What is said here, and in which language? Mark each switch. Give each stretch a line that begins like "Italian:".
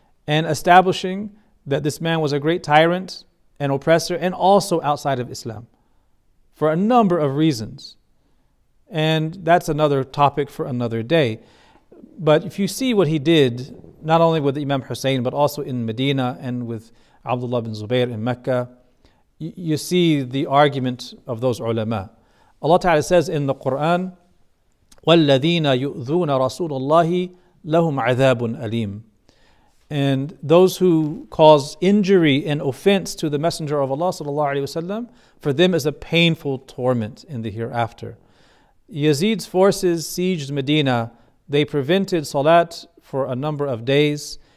English: and establishing that this man was a great tyrant and oppressor, and also outside of Islam for a number of reasons. And that's another topic for another day. But if you see what he did, not only with Imam Hussein, but also in Medina and with Abdullah bin Zubayr in Mecca, you see the argument of those ulama. Allah Ta'ala says in the Quran,
Arabic: وَالَّذِينَ يُؤْذُونَ رَسُولَ اللَّهِ لَهُمْ عَذَابٌ أَلِيمٌ.
English: And those who cause injury and offense to the Messenger of Allah sallallahu alaihi wasallam, for them is a painful torment in the hereafter. Yazid's forces sieged Medina. They prevented Salat for a number of days.